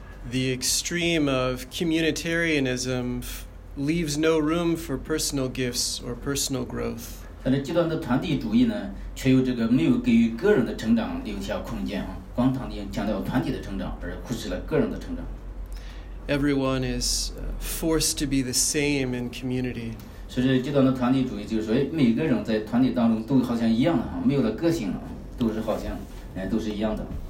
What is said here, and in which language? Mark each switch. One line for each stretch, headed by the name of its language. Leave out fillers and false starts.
English: The extreme of communitarianism leaves no room for personal gifts or personal growth.
Chinese: 但是极端的团体主义呢，却又这个没有给予个人的成长留下空间，光强调团体的成长，而忽视了个人的成长。
English: Everyone is forced to be the same in community.
Chinese: 所以极端的团体主义就是说，每个人在团体当中都好像一样了，没有了个性了，都是好像，都是一样的。